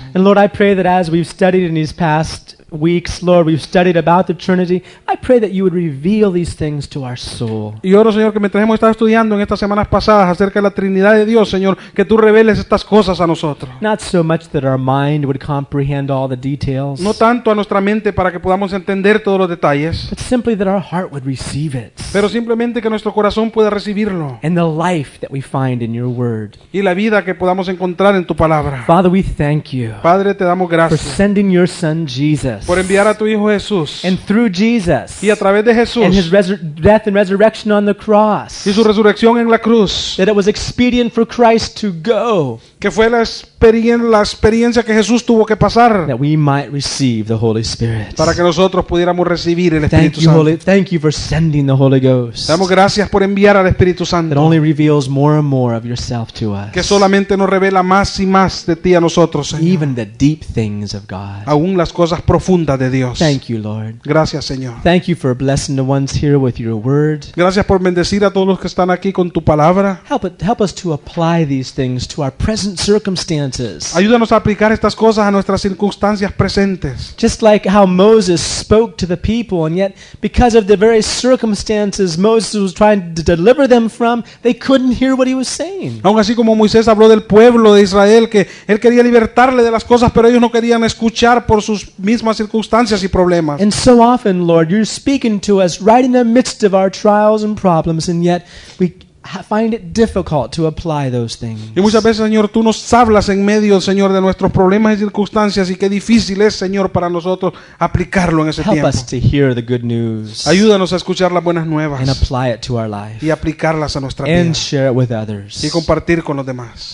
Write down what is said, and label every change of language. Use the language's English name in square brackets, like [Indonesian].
[English] And Lord, I pray that as we've studied in these past weeks, Lord, we've studied about the Trinity. I pray that you would reveal these things to our soul. [Spanish] Y oro, Señor, que mientras hemos estado estudiando en estas semanas pasadas acerca de la Trinidad de Dios, Señor, que tú reveles estas cosas a nosotros. [English] Not so much that our mind would comprehend all the details. [Spanish] No tanto a nuestra mente para que podamos entender todos los detalles. [English] But simply that our heart would receive it. [Spanish] Pero simplemente que nuestro corazón pueda recibirlo. [English] And the life that we find in your word. [Spanish] Y la vida que podamos encontrar en tu palabra. [English] Father, we thank you. [Spanish] Padre, te damos gracias. [English] For sending your son Jesus. [Spanish] Por enviar a tu hijo Jesús. [English] And through Jesus. [Spanish] Y a través de Jesús. [English] And his death and resurrection on the cross. [Spanish] Y su resurrección en la cruz. [English] That it was expedient for Christ to go. [Spanish] Que fue la experiencia que Jesús tuvo que pasar. [English] That we might receive the Holy Spirit. [Spanish] Para que nosotros pudiéramos recibir el Espíritu [English] Santo. Thank you for sending the Holy Ghost. [Spanish] Damos gracias por enviar al Espíritu Santo. [English] That only reveals more and more of yourself to us. [Spanish] Que solamente nos revela más y más de ti a nosotros, Señor. [English] Even the deep things of God. [Spanish] Aún las cosas profundas de Dios. [English] Thank you, Lord. [Spanish] Gracias, Señor. [English] Thank you for blessing the ones here with your word. [Spanish] Gracias por bendecir a todos los que están aquí con tu palabra. [English] Help us to apply these things to our present circumstances. [Spanish] Ayúdanos a aplicar estas cosas a nuestras circunstancias presentes. [English] Just like how Moses spoke to the people, and yet because of the very circumstances Moses was trying to deliver them from, they couldn't hear what he was saying. [Spanish] Aun así como Moisés habló del pueblo de Israel, que él quería libertarle de las cosas, pero ellos no querían escuchar por sus mismas circunstancias y problemas. [English] And so often, Lord, you're speaking to us right in the midst of our trials and problems, and yet we find it difficult to apply those things. [Spanish] Y muchas veces, Señor, tú nos hablas en medio, Señor, de nuestros problemas y circunstancias, y qué difícil es, Señor, para nosotros aplicarlo en ese [English] Help [Spanish] tiempo. [English] Help us to hear the good news. [Spanish] Ayúdanos a escuchar las buenas nuevas. [English] And apply it to our life. [Spanish] Y aplicarlas a nuestra [English] and [Spanish] vida. [English] And share it with others. [Spanish] Y compartir con los demás.